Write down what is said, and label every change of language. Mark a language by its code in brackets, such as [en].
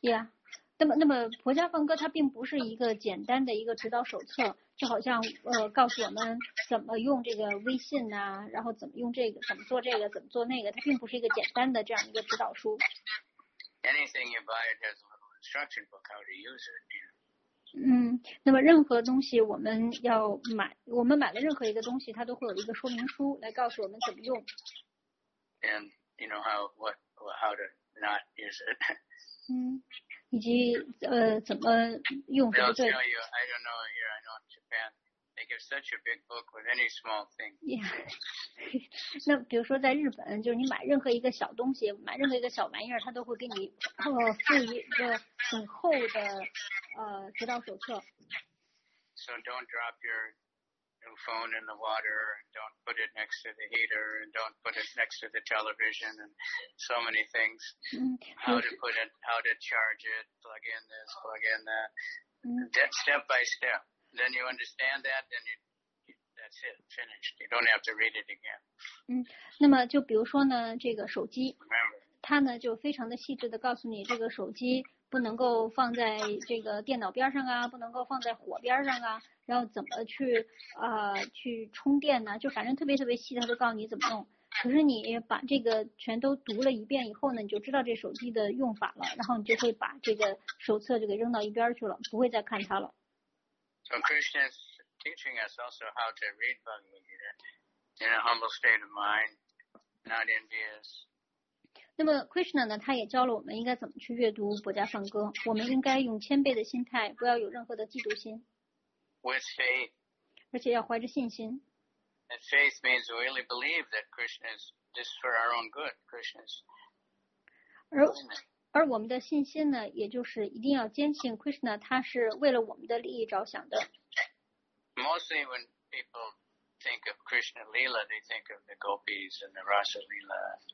[en] Yeah. [zh] 那么薄伽梵歌它并不是一个简单的一个指导手册，就好像告诉我们怎么用这个微信啊，然后怎么用这个，怎么做这个，怎么做那个，它并不是一个简单的这样一个指导书。 [en] Anything you buy, it has a little instruction book how to use it, yeah. [zh] 那么任何东西我们要买，我们买的任何一个东西，它都会有一个说明书来告诉我们怎么用。 [en] And you know how to not use it. [zh] 以及怎么用才对。 [en] They'll tell you, I don't know here, I know in Japan, they give such a big book with any small thing. Yeah. [zh] 那比如说在日本，就是你买任何一个小东西，买任何一个小玩意儿，它都会给你附一个很厚的。指导手册。 [en] So don't drop your new phone in the water, and don't put it next to the heater, and don't put it next to the television, and so many things. How to charge it, plug in this, plug in that. That step by step. Then you understand that, then that's it, finished. You don't have to read it again. [zh] 那么就比如说呢，这个手机，它呢就非常的细致的告诉你这个手机。不能够放在这个电脑边上啊，不能够放在火边上啊，然后怎么去去充电呢？就反正特别特别细，他都告诉你怎么弄。可是你把这个全都读了一遍以后呢，你就知道这手机的用法了，然后你就会把这个手册就给扔到一边去了，不会再看它了。 [en] So Krishna is teaching us also how to read Bhagavad Gita in a humble state of mind, not envious. [zh] 那么 Krishna 呢，他也教了我们应该怎么去阅读薄伽梵歌。我们应该用谦卑的心态，不要有任何的嫉妒心。 [en] With faith. [zh] 而且要怀着信心。 [en] And faith means we really believe that Krishna is just for our own good. Krishna is. [zh] 而我们的信心呢，也就是一定要坚信 Krishna 他是为了我们的利益着想的。 [en] Mostly when people think of Krishna Lila, they think of the Gopis and the Rasa Lila.